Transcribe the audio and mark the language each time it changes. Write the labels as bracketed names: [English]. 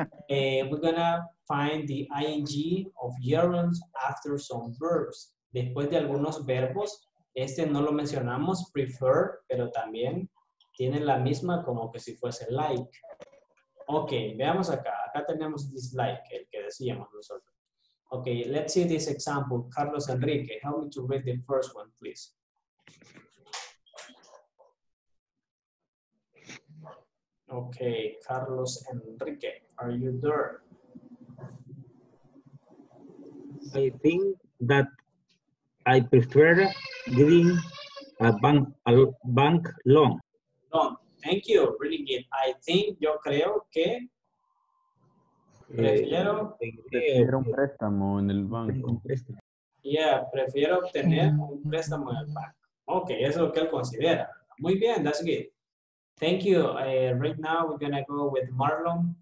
[English] We're going to find the ing of gerunds after some verbs. [Spanish] Después de algunos verbos, este no lo mencionamos, prefer, pero también tiene la misma como que si fuese like. Okay, veamos acá. Acá tenemos this like, el que decíamos nosotros. [English] Okay, let's see this example. Carlos Enrique, help me to read the first one, please. Okay, Carlos Enrique, are you there? I think that I prefer getting a bank loan. Loan, thank you, really good. I think, [Spanish] yo creo que prefiero obtener un préstamo en el banco. Yeah, prefiero obtener un préstamo en el banco. Okay, eso es lo que él considera. Muy bien, [English] that's good. Thank you. Right now, we're going to go with Marlon.